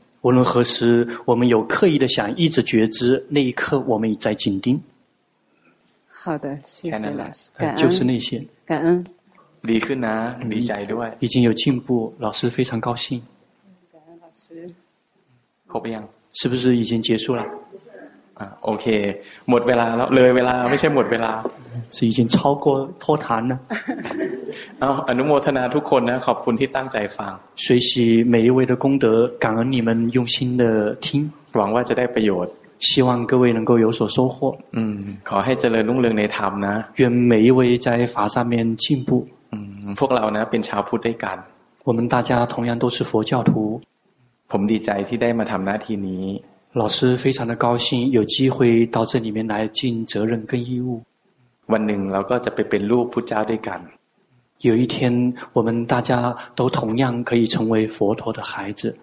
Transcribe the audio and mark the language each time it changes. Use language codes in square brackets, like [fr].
[zh] 无论何时我们有刻意的想一直觉知那一刻我们在紧盯好的谢谢老师感恩就是那些感恩 [th] ดีขึ้นนะดีใจด้วย [zh] 已经有进步老师非常高兴感恩老师 [th] ครบยัง [zh] 是不是已经结束了 [th] โอเคหมดเวลาแล้วเลยเวลาไม่ใช่หมดเวลา [zh] 是已经超过脱谈นะ [th] เอาอนุโมทนาทุกคนนะขอบคุณที่ตั้งใจฟัง [zh] 随喜每一位的功德感恩你们用心的听 [th] หวังว่าจะได้ประโยชน์ [zh] 希望各位能够有所收获 [th] ขอให้เจริญรุ่งเรืองในธรรมนะ [zh] 愿每一位在法上面进步 [th] พวกเรานะเป็นชาวพุทธด้วยกัน [zh] 我们大家同样都是佛教徒 [th] ผมดีใจที่ได้มาทำหน้าที่นี้ [zh] 老师非常的高兴有机会到这里面来尽责任跟义务 [th] วันหนึ่งเราก็จะไปเป็นลูกพุทธเจ้าด้วยกัน [zh] 有一天我们大家都同样可以成为佛陀的孩子